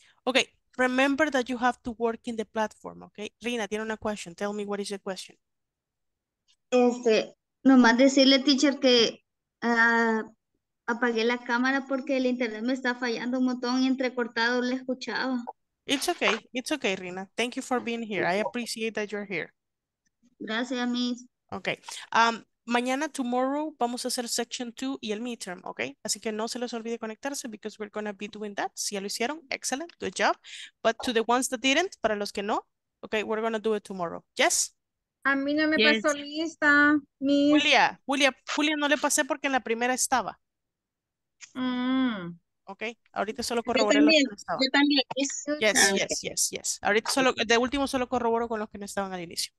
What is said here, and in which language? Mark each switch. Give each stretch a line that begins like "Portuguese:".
English: Ok, remember that you have to work in the platform, ok. Rina,
Spanish: tiene una
English: question. Tell me what is the question.
Spanish: Nomás decirle, teacher, que apagué la cámara porque el internet me está fallando un montón y entrecortado le escuchaba.
English: It's okay, Rina. Thank you for being here. I appreciate that you're here.
Spanish: Gracias, Miss.
English: Okay.
Spanish: Mañana, tomorrow, vamos a hacer section 2 y el midterm, ¿ok? Así que no se les olvide conectarse
English: because we're going to be doing that.
Spanish: Si ya lo hicieron,
English: excellent, good job. But to the ones that didn't,
Spanish: para los que no,
English: okay, we're going to do it tomorrow. Yes?
Spanish: A mí no me yes. pasó lista, Miss. Julia, no le pasé porque en la primera estaba. Ok, ahorita solo corroboré. Yo también.
English: Yes, yes, yes.
Spanish: Ahorita solo, de último solo corroboro con los que no estaban al inicio.